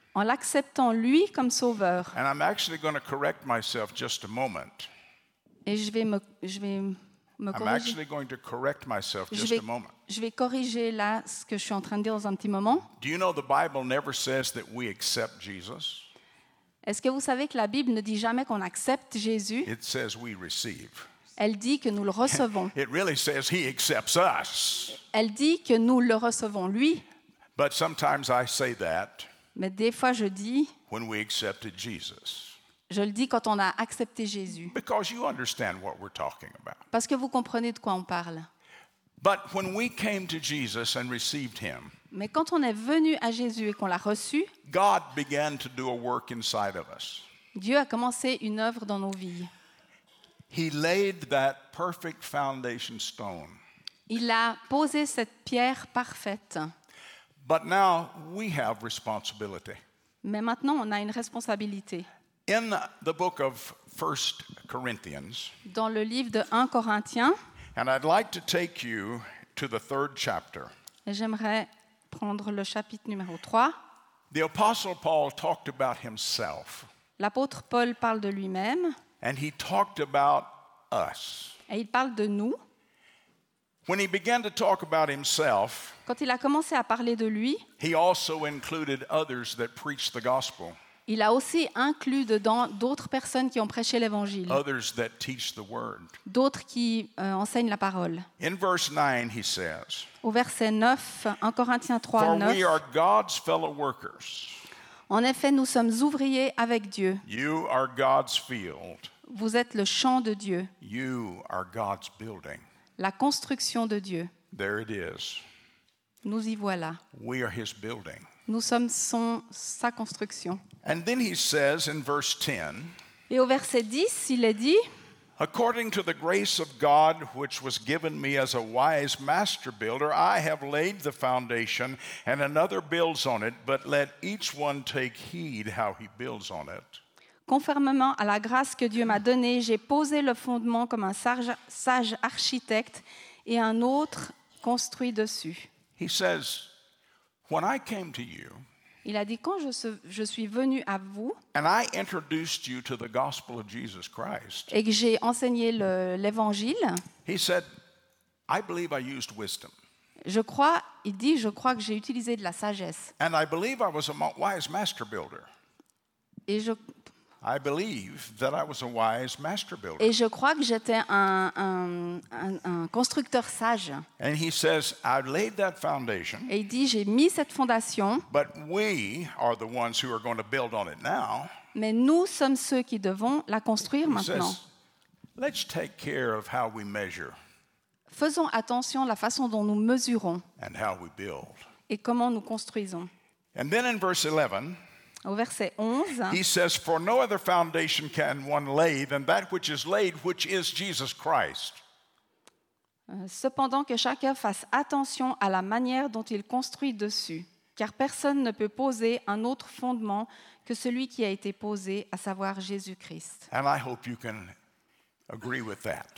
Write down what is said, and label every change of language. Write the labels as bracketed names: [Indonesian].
[French] En l'acceptant lui comme sauveur. [English] And I'm actually going to correct myself just a moment. [French] Et je vais me corriger. [English] I'm actually going to correct myself just a moment. [French] Je vais corriger là ce que je suis en train de dire dans un petit moment. [English] Do you know the Bible never says that we accept Jesus? [French] Est-ce que vous savez que la Bible ne dit jamais qu'on accepte Jésus? [English] It says we receive. [French] Elle dit que nous le recevons. [English] It really says he accepts us. [French] Elle dit que nous le recevons lui. [English] But sometimes I say that. [French] Mais des fois je dis. [English] When we accepted Jesus. [French] Je le dis quand on a accepté Jésus. [English] Because you understand what we're talking about. [French] Parce que vous comprenez de quoi on parle. [English] But when we came to Jesus and received him. [French] Mais quand on est venu à Jésus et qu'on l'a reçu. [English] God began to do a work inside of us. [French] Dieu a commencé une œuvre dans nos vies. [English] He laid that perfect foundation stone. [French] Il a posé cette pierre parfaite. [English] But now we have responsibility. [French] Mais maintenant on a une responsabilité. [English] In the book of 1 Corinthians. [French] Dans le livre de 1 Corinthiens. [English] And I'd like to take you to the third chapter. [French] Et j'aimerais prendre le chapitre numéro 3. [English] The apostle Paul talked about himself. [French] L'apôtre Paul parle de lui-même. [English] And he talked about us. [French] Et il parle de nous. [English] When he began to talk about himself, [French] quand il a commencé à parler de lui, [English] he also included others that preached the gospel. [French] Il a aussi inclus dedans d'autres personnes qui ont prêché l'évangile. [English] Others that teach the word. [French] D'autres qui enseignent la parole. [English] In verse 9, he says, [French] au verset 9, 1 Corinthiens 3, 9, [English] for we are God's fellow workers. [French] En effet, nous sommes ouvriers avec Dieu. [English] You are God's field. [French] Vous êtes le champ de Dieu. [English] You are God's building. [French] La construction de Dieu. [English] There it is. [French] Nous y voilà. [English] We are his building. [French] Nous sommes sa construction. [English] And then he says in verse 10. [French] Et au verset 10, il est dit. [English] According to the grace of God, which was given me as a wise master builder, I have laid the foundation, and another builds on it. But let each one take heed how he builds on it. [French] Conformément à la grâce que Dieu m'a donnée, j'ai posé le fondement comme un sage architecte et un autre construit dessus. [English] He says, when I came to you, [French] il a dit, quand je suis venu à vous [English] and I introduced you to the gospel of Jesus Christ, [French] et que j'ai enseigné l'évangile, [English] he said, I believe I used wisdom. [French] Je crois, il dit, je crois que j'ai utilisé de la sagesse. [English] And I believe I was a wise master builder. I believe that I was a wise master builder. [French] Et je crois que j'étais un constructeur sage. [English] And he says, I've laid that foundation. [French] Et il dit, j'ai mis cette fondation. [English] But we are the ones who are going to build on it now. [French] Mais nous sommes ceux qui devons la construire maintenant. [English] He says, let's take care of how we measure. [French] Faisons attention à la façon dont nous mesurons. [English] And how we build. [French] Et comment nous construisons. [English] And then in verse 11. [French] Au verset 11, [English] he says, "For no other foundation can one lay than that which is laid, which is Jesus Christ." [French] Cependant, que chacun fasse attention à la manière dont il construit dessus, car personne ne peut poser un autre fondement que celui qui a été posé, à savoir Jésus-Christ. [English] And I hope you can agree with that.